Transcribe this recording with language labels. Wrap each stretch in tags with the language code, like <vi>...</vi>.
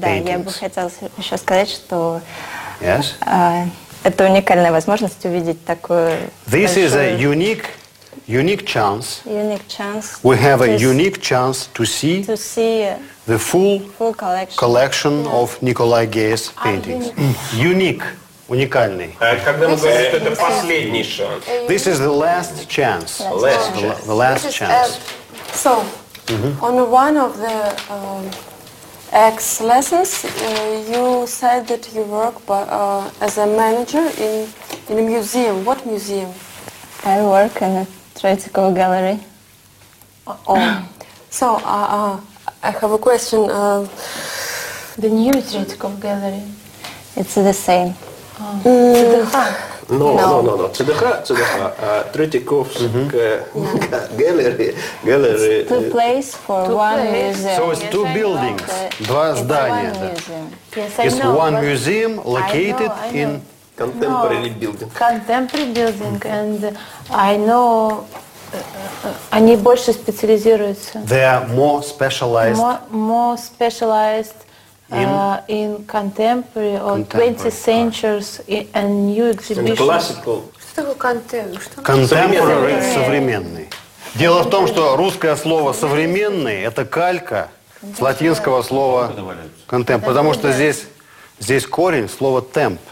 <ru>Да, я бы хотела еще сказать, что</ru> <en>yes,</en> <ru>это уникальная возможность увидеть такую.</ru> <en>This is a unique. Unique chance. We have a unique chance to see the full collection, yeah, of Nikolai Ge's paintings. Unique. Уникальный.</en> <ru>Когда мы говорим, что это последний шанс.</ru> <en>This is the last chance. The last chance. So, on one of the X lessons, you said that you work as a manager in a museum. What museum? I work in a Tretyakov Gallery. So, I have a question. The new Tretyakov Gallery. It's the same. No. ЦДХ, Третьяковск Gallery. It's two places for one museum. So it's two buildings,</en> <ru>два здания.</ru> <en>It's one museum. It's one museum located in contemporary building. Contemporary building, and I know</en> <ru>они больше специализируются.</ru> <en>They are more specialized. More specialized. In contemporary or 20th centuries and new exhibitions. Classical. Contemporary – современный.</en> <ru>Дело в том, что русское слово «современный» – это калька с латинского слова «contemp». Потому что здесь корень слова «темп».</ru>